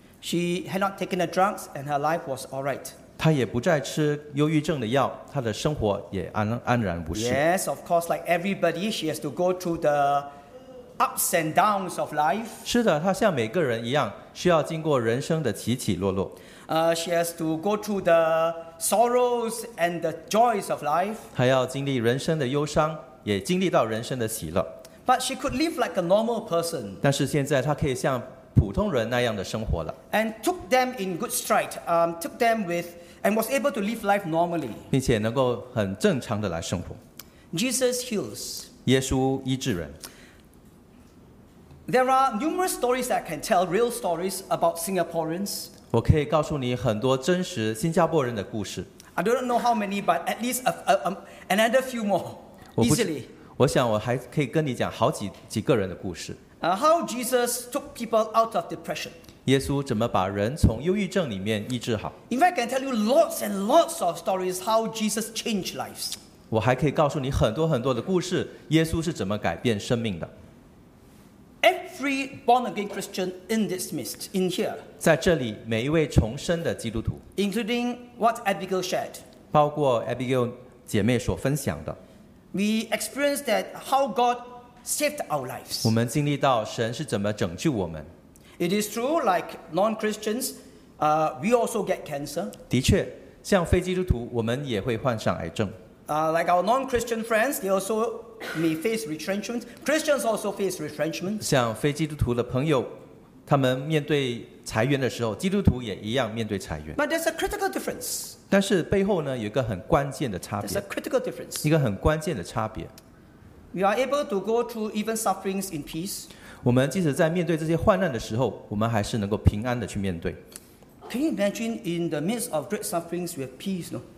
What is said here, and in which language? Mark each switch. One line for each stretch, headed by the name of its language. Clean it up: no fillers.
English: She had not taken the drugs, and her life was all right.
Chinese: 她也不再吃忧郁症的药，她的生活也安然无事。
English: Yes, of course, like everybody, she has to go through the ups and downs of life.
Chinese: 是的，她像每个人一样，需要经过人生的起起落落。
English: She has to go through the sorrows and the joys of life.
Chinese: 她要经历人生的忧伤，也经历到人生的喜乐。
English: But she could live like a normal person.
Chinese: 但是现在她可以像普通人那样的生活了。
English: And took them in good stride, took them with, and was able to live life normally.
Chinese: 并且能够很正常的来生活。
English: Jesus heals.
Chinese: 耶稣医治人。
English: There are numerous stories that I can tell, real stories about Singaporeans.
Chinese: 我可以告诉你很多真实新加坡人的故事。
English: I don't know how many, but at least another few more easily.
Chinese: 我想我还可以跟你讲好几个人的故事。
English: How Jesus took people out of depression.
Chinese: 耶稣怎么把人从忧郁症里面医治好？
English: In fact, I can tell you lots and lots of stories how Jesus changed lives.
Chinese: 我还可以告诉你很多很多的故事，耶稣是怎么改变生命的。
English: Every born again Christian in this midst, in here.
Chinese: 在这里，每一位重生的基督徒。
English: Including what Abigail shared.
Chinese: 包括 Abigail 姐妹所分享的。
English: We experienced that how God. Saved our lives.
Chinese: 我们经历到神是怎么拯救我们。
English: It is true, like non-Christians, we also get cancer.
Chinese: 的确，像非基督徒，我们也会患上癌症。
English: Like our non-Christian friends, they also may face retrenchment. Christians also face retrenchment.
Chinese: 像非基督徒的朋友，他们面对裁员的时候，基督徒也一样面对裁员。
English: But there's a critical difference.
Chinese: 但是背后呢，有一个很关键的差别。
English: There's a critical difference.
Chinese: 一个很关键的差别。
English: We are able to go through even sufferings in peace.
Chinese: 我们即使在面对这些患难的时候，我们还是能够平安的去面对。
English: Can you imagine in the midst of great sufferings, we have peace, no?